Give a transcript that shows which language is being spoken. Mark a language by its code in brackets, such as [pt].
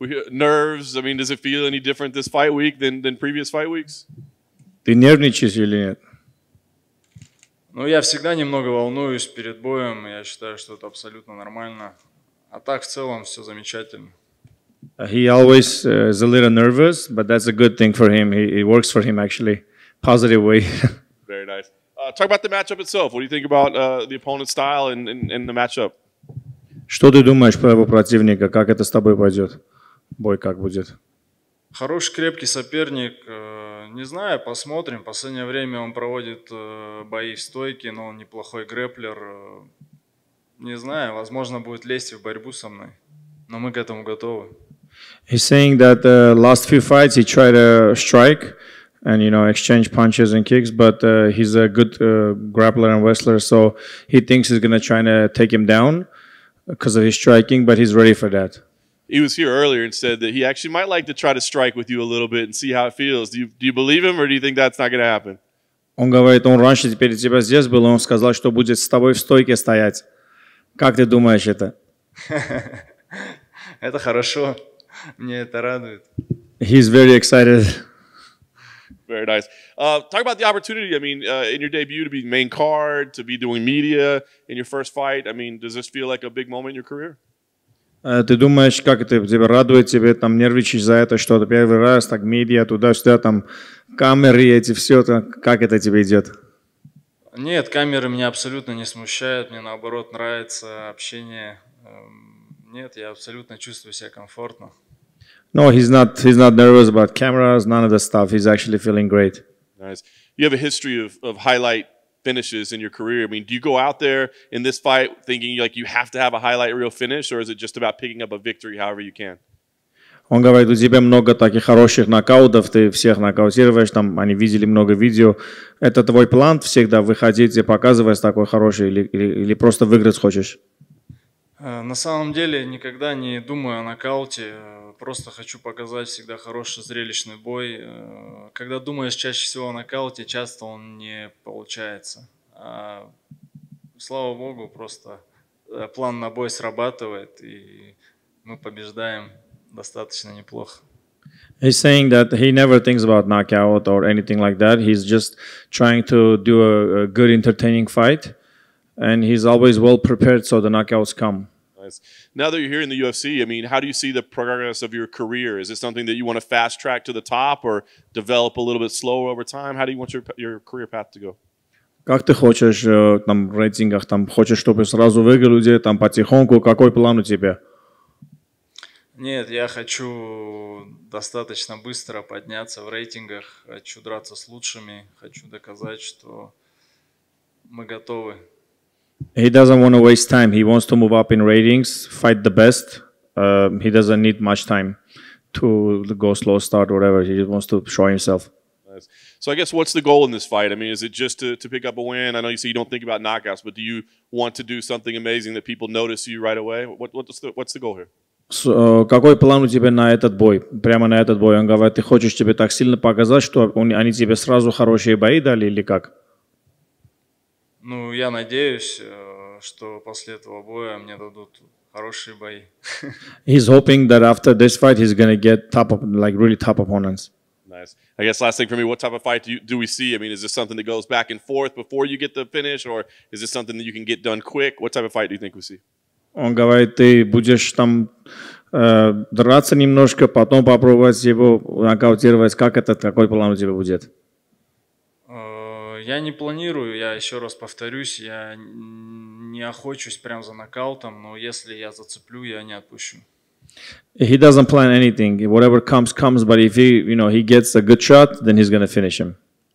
[en] Nerves. I mean, does it feel any different this fight week than previous fight weeks? [ru] Ты нервничаешь или нет? Ну, я всегда немного волнуюсь перед боем. Я считаю, что это абсолютно нормально. А так в целом все замечательно. [en] He always is a little nervous, but that's a good thing for him. It works for him actually, positive way. Very nice. Talk about the matchup itself. What do you think about the opponent's style and the matchup? [ru] Что ты думаешь про его противника? Как это с тобой пойдет? Бой как будет? Хороший, крепкий соперник. Не знаю, посмотрим. В последнее время он проводит бои в стойке, но он неплохой грэпплер. Не знаю, возможно, будет лезть в борьбу со мной. Но мы к этому готовы. [en] He's saying that the last few fights he tried to strike and, you know, exchange punches and kicks, but he's a good grappler and wrestler, so he thinks he's going to try to take him down because of his striking, but he's ready for that. He was here earlier and said that he actually might like to try to strike with you a little bit and see how it feels. Do you believe him or do you think that's not going to happen? [ru] Он говорит, он раньше перед тебя здесь был, он сказал, что будет с тобой в стойке стоять. Как ты думаешь это? Это хорошо. Мне это радует. [en] He's very excited. Very nice. Talk about the opportunity. I mean, in your debut to be main card, to be doing media in your first fight. I mean, does this feel like a big moment in your career? [ru] Ты думаешь, как это тебя радует, тебе там нервничаешь за это, что первый раз, так медиа, туда-сюда, там камеры эти, все, как это тебе идет? Нет, камеры меня абсолютно не смущают, мне наоборот нравится общение. Нет, я абсолютно чувствую себя комфортно. [en] No, he's not nervous about cameras, none of the stuff. He's actually feeling great. Nice. You have a history of highlight finishes in your career. I mean, do you go out there in this fight thinking like you have to have a highlight reel finish, or is it just about picking up a victory however you can? [ru] Он говорит, у тебя много таких хороших нокаутов, ты всех нокаутируешь, там они видели много видео. Это твой план всегда выходить и показывать такой хороший или просто выиграть хочешь? На самом деле никогда не думаю о нокауте, просто хочу показать всегда хороший зрелищный бой. Когда думаешь чаще всего о нокауте, часто он не получается. А, слава богу, просто план на бой срабатывает и мы побеждаем достаточно неплохо. [en] He's saying that he never thinks about knockout or anything like that. He's just trying to do a good entertaining fight. And he's always well prepared, so the knockouts come. Nice. Now that you're here in the UFC, I mean, how do you see the progress of your career? Is it something that you want to fast track to the top or develop a little bit slower over time? How do you want your career path to go? [ru] Как ты хочешь там в рейтингах, там хочешь, чтобы сразу выиграли люди, там потихоньку, какой план у тебя? Нет, я хочу достаточно быстро подняться в рейтингах, хочу драться с лучшими, хочу доказать, что мы готовы. [en] He doesn't want to waste time. He wants to move up in ratings, fight the best. He doesn't need much time to go slow start, whatever. He just wants to show himself. Nice. So I guess what's the goal in this fight? I mean, is it just to pick up a win? I know you say you don't think about knockouts, but do you want to do something amazing that people notice you right away? What's the goal here? [ru] So, какой план у тебя на этот бой? Прямо на этот бой? Он говорит, ты хочешь тебе так сильно показать, что они тебе сразу хорошие бои дали или как? Ну, я надеюсь, что после этого боя мне дадут хорошие бои. [en] He's hoping that after this fight he's gonna get top, like really top opponents. Nice. I guess last thing for me, what type of fight do we see? I mean, is this something that goes back and forth before you get the finish, or is this something that you can get done quick? What type of fight do you think we see? [ru] Он говорит, ты будешь там драться немножко, потом попробовать его нокаутировать. Как этот, какой план у тебя будет? Я не планирую, я еще раз повторюсь, я не охочусь прям за нокаутом, но если я зацеплю, я не отпущу. [en] He doesn't plan anything. Whatever comes, comes, but if he, you know, he gets a good shot, then he's gonna finish him.